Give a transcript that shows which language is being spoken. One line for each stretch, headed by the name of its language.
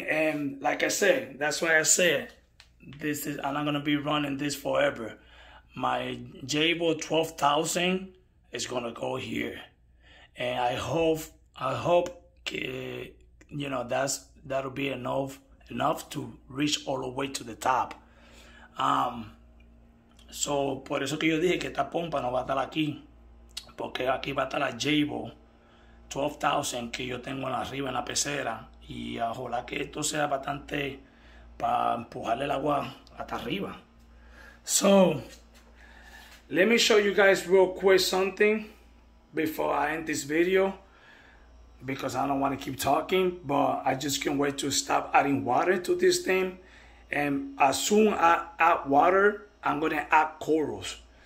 English: And like I said, that's why I said this is, I'm not gonna be running this forever. My Jabo 12,000 is gonna go here, and I hope you know that'll be enough to reach all the way to the top.
Spanish: So por eso que yo dije que esta pompa no va a estar aquí, porque aquí va a estar la Jabo 12,000 que yo tengo arriba en la pecera, y ojalá que esto sea bastante para empujarle el agua hasta arriba.
English: So let me show you guys real quick something before I end this video, because I don't want to keep talking, but I just can't wait to stop adding water to this thing. And as soon as I add water, I'm gonna add corals.